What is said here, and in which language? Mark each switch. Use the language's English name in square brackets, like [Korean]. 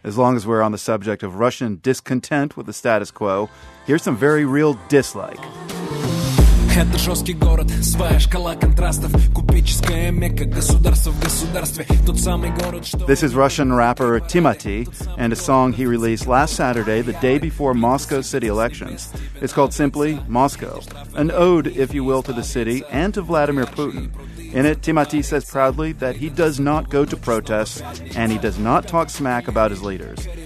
[English] As long as we're on the subject of Russian discontent with the status quo, here's some very real dislike. [Russian] Это жесткий город, своя шкала контрастов, купеческая мекка, государство в государстве, тот самый город, что... [English] This is Russian rapper Timati, and a song he released last Saturday, the day before Moscow city elections. It's called simply Moscow, an ode, if you will, to the city and to Vladimir Putin. In it, Timati says proudly that he does not go to protests, and he does not talk smack about his leaders.